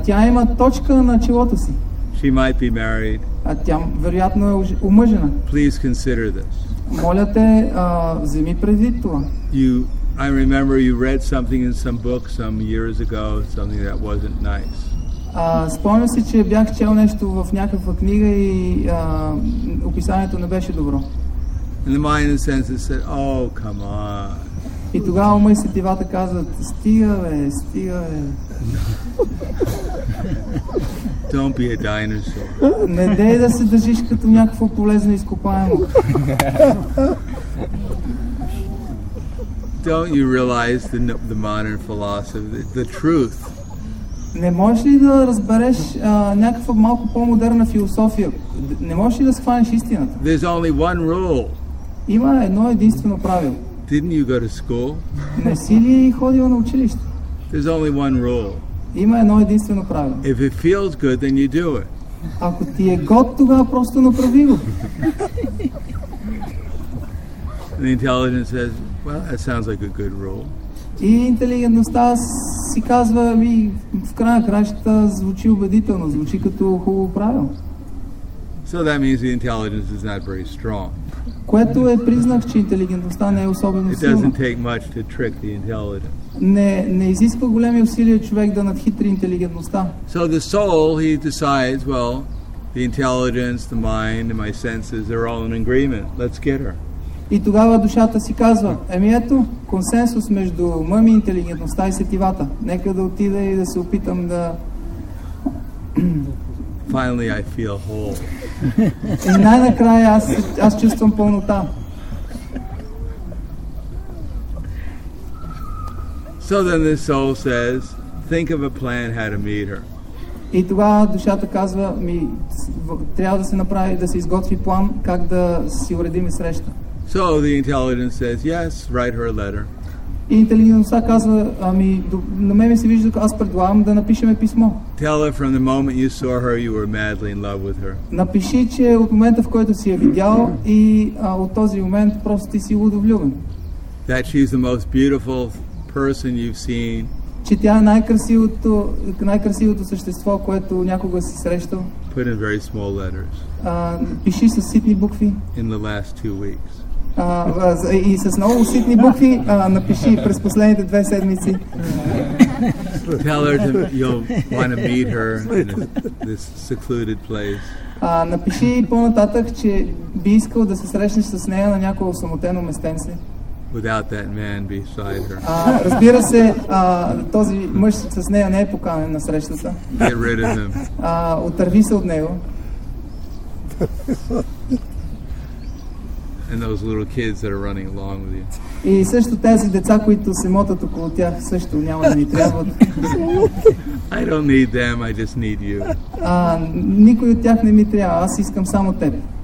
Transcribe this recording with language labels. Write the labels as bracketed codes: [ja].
[bg] Тя има точка на челото си. [en] She might be married. [bg] Тя вероятно е омъжена. [en] Please consider this. [bg] Моля те, вземи предвид това. [en] I remember you read something in some book some years ago, something that wasn't nice. [bg] Спомням си, че бях чел нещо в някаква книга и описанието не беше добро. [en] And the mind and senses said, oh, come on. [bg] И тогава ума и сетивата казват, стига бе. [en] Don't be a dinosaur. [bg] Не дей да се държиш като някакво полезно изкопаемо. [en] Don't you realize the modern philosophy, the truth? [bg] Не можеш ли да разбереш някаква малко по-модерна философия? Не можеш ли да схванеш истината? [en] There's only one rule. [bg] Има едно единствено правило. [en] Didn't you go to school? [bg] Не си ли ходил на училище? [en] There's only one rule. [bg] Има едно единствено правило. [en] If it feels good, then you do it. [bg] Ако ти е год, тогава просто направи го. [en] The intelligence says, well, that sounds like a good rule. [bg] И интелигентността си казва, ми в края кращата звучи убедително, звучи като хубаво правило. [en] So that means the intelligence is not very strong. [bg] което е признак, че интелигентността не е особено силна. [en] It doesn't take much to trick the intelligence. [bg] Не изисква големи усилия човек да надхитри интелигентността. [en] So the soul, he decides, well, the intelligence, the mind, and my senses, they're all in agreement. Let's get her. [bg] И тогава душата си казва, еми ето, консенсус между ума ми, интелигентността и сетивата. Нека да отида и да се опитам да... [en] Finally I feel whole. [bg] И най-накрая аз чувствам пълнота. [en] So then the soul says, think of a plan how to meet her. [bg] И тогава душата казва, ми трябва да се направи, да се изготви план как да си уредим среща. [en] So the intelligence says, yes, write her a letter. [bg] И интелигентността казва, ами, на мен ми се вижда, аз предлагам да напишеме писмо. [en] Tell her from the moment you saw her, you were madly in love with her. [bg] Напиши, че от момента, в който си я видял, и от този момент просто ти си лудо влюбен. [en] That she's the most beautiful person you've seen. [bg] Че тя е най-красивото същество, което някога си срещал. [en] Put in very small letters. [bg] Пиши с ситни букви. [en] In the last two weeks. [bg] И с много ситни букви напиши през последните две седмици. [en] Tell her that you'll want to meet her in this secluded place. [bg] Напиши по-нататък, че би искал да се срещнеш с нея на някое осамотено местенце. [en] Without that man beside her. [bg] Разбира се, този мъж с нея не е поканен на срещата. [en] Get rid of him. [bg] Отърви се от него. [en] And those little kids that are running along with you. [bg] И също тези деца, които се мотат около тях, също няма да ни трябват. [en] I don't need them, I just need you. [bg] Никой от тях не ми трябва, аз искам само теб.